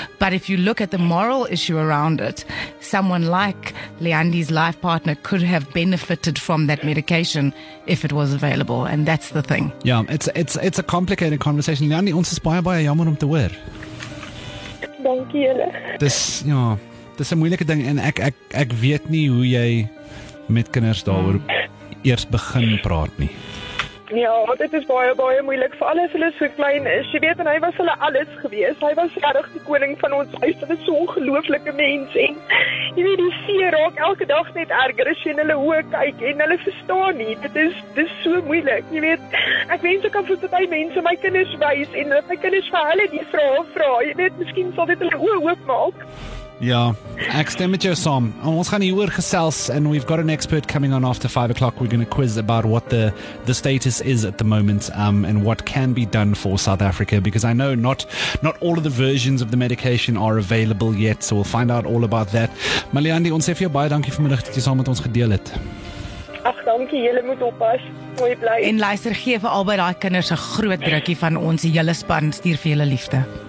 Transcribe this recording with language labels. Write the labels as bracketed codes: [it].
[en] But if you look at the moral issue around it, someone like Leandi's life partner could have benefited from that medication if it was available, and that's the thing. Ja, it's a complicated conversation. [af] Leandi, ons is baie jammer om te hoor. Dankie julle. Dis 'n moeilike ding en ek weet nie hoe jy met kinders daaroor eers begin praat nie. Ja, want dit is baie moeilik, vir alles hulle so klein is. Jy weet, en hy was hulle alles gewees. Hy was regtig die koning van ons huis. Hy was so ongelooflike mens. En jy weet, die seer raak elke dag net erger as jy hulle hoe kyk en hulle verstaan nie. Dit is so moeilik. Jy weet, ek wens ek kan vir party mense my kinders wys en dat my kinders vir hulle die vrae vra. Jy weet, miskien sal dit hulle oë oop maak. Ja, ek stem met jou saam. Ons gaan hieroor gesels [en] and we've got an expert coming on after 5 o'clock. We're going to quiz about what the status is at the moment and what can be done for South Africa, because I know not all of the versions of the medication are available yet, so we'll find out all about that. [af] Maar Leandi, ons sê vir jou baie dankie vanmiddag dat jy saam met ons gedeel het. Ach, dankie, jylle moet oppas. Mooi bly. En luister, gee vir albei daai kinders 'n groot drukkie van ons. Jylle span stuur vir jylle liefde.